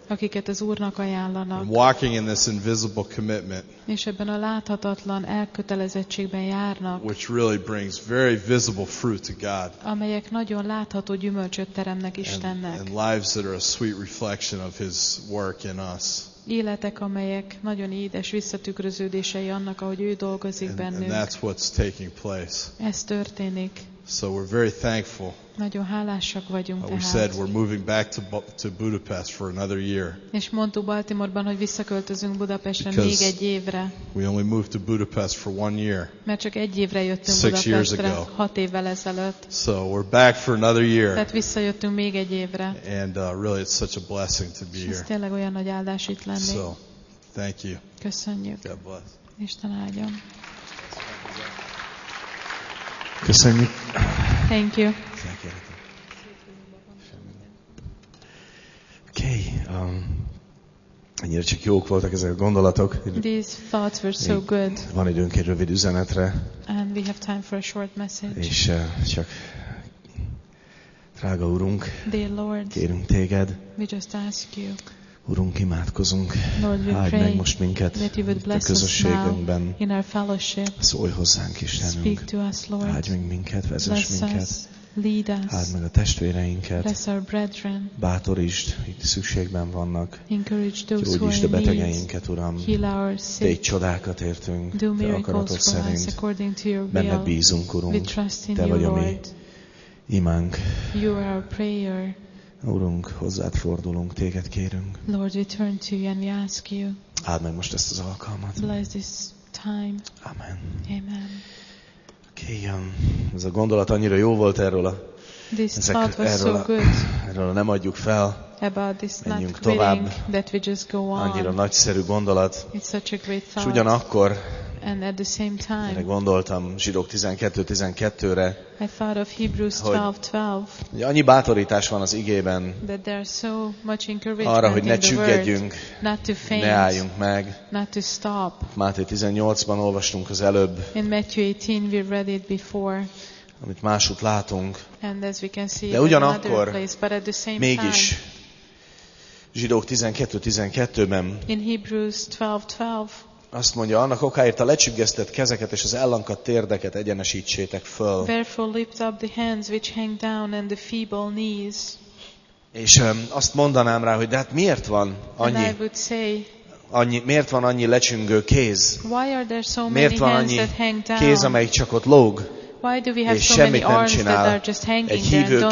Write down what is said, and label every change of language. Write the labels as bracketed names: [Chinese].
[Hungarian] Akiket az Úrnak ajánlanak. [English] And walking in this invisible commitment. [Hungarian] És ebben a láthatatlan elkötelezettségben járnak. [English] Which really brings very visible fruit to God. [Hungarian] Amelyek nagyon látható gyümölcsöt teremnek Istennek. [English] And lives that are a sweet reflection of his work in us. [Hungarian] Életek, amelyek nagyon édes visszatükröződései annak, ahogy ő dolgozik bennünk. [English] And that's what's taking place. [Hungarian] Ez történik. [English] So we're very thankful. [Hungarian] Nagyon hálásak vagyunk. [English] We said we're moving back to Budapest for another year. [Hungarian] És mondtuk Baltimoreban, hogy visszaköltözünk Budapestre még egy évre. [English] We only moved to Budapest for one year. [Hungarian] Mert csak egy évre jöttünk Budapestre. 6 évvel ezelőtt. [English] So we're back for another year. [Hungarian] Tehát visszajöttünk még egy évre. [English] And really, it's such a blessing to be here. [Hungarian] És tényleg olyan nagy áldás itt lenni. [English] So, thank you. [Hungarian] Köszönjük. [English] God bless. [Hungarian] Isten áldjon. Köszönjük. [English] Thank you. Okay. [Hungarian] Ennyire csak jók voltak ezek a gondolatok. [English] These thoughts were so good. [Hungarian] Van időnk egy rövid üzenetre. [English] And we have time for a short message. [Hungarian] És csak drága Urunk, [English] dear Lord, [Hungarian] kérünk téged. [English] We just ask you. [Hungarian] Urunk, imádkozunk. [English] Lord, we [Hungarian] áld [English] pray [Hungarian] meg most minket [English] that you would bless [Hungarian] a közösségünkben. [English] Us now in our fellowship. [Hungarian] Szólj hozzánk, Istenünk. [English] Speak to us, Lord. [Hungarian] Áld meg minket, vezess [English] bless [Hungarian] minket. [English] Us, lead us. [Hungarian] Áld meg a testvéreinket. [English] Bless our brethren. [Hungarian] Bátorítsd, itt szükségben vannak. [English] Encourage those who are in need. [Hungarian] Gyógyítsd a betegeinket, Uram. [English] Heal our sick. [Hungarian] Tégy csodákat értünk. [English] Do miracles for us according to your will. [Hungarian] Benne bízunk, Urunk. [English] We trust in [Hungarian] Te [English] you, [Hungarian] vagy [English] Lord. [Hungarian] A mi imánk. [English] You are our prayer. [Hungarian] Urunk, hozzád fordulunk, téged kérünk. [English] Lord, we turn to you and we ask you. [Hungarian] Áld meg most ezt az alkalmat. [English] Bless this time. [Hungarian] Amen. [English] Amen. [Hungarian] Okay, ez a gondolat annyira jó volt erről a... [English] This thought was so good. [Hungarian] Erről nem adjuk fel. [English] About this not [Hungarian] menjünk tovább. [English] That we just go on. [Hungarian] Annyira nagyszerű gondolat. [English] It's such a great thought. [Hungarian] És ugyanakkor... [English] And at the same time, [Hungarian] gondoltam Zsidók 12:12-re. [English] I thought of Hebrews 12:12. [Hungarian] Annyi bátorítás van az igében. [English] That there are so much encouragement. [Hungarian] Arra, hogy ne csüggedjünk, [English] not to faint, [Hungarian] ne álljunk meg. [English] Not to stop. [Hungarian] Máté 18-ban olvastunk az előbb. [English] In Matthew 18 we read it before. [Hungarian] Amit másút látunk. [English] And as we can see, [Hungarian] de ugyanakkor, [English] in another place, but at the same [Hungarian] mégis. [English] Time, [Hungarian] Zsidók 12:12-ben. [English] In Hebrews 12:12. [Hungarian] Azt mondja, annak okáért a lecsüggesztett kezeket és az ellankadt térdeket egyenesítsétek föl. [English] Therefore lift up the hands which hang down and the feeble knees. [Hungarian] És azt mondanám rá, hogy de hát miért van annyi? [English] And I would say, [Hungarian] annyi, miért van annyi lecsüngő kéz? [English] Why are there so [Hungarian] miért van [English] hands [Hungarian] annyi [English] that hang down? [Hungarian] Kéz, amelyik csak ott lóg? [English] Why do we have [Hungarian] és [English] so many arms that are just hanging there and don't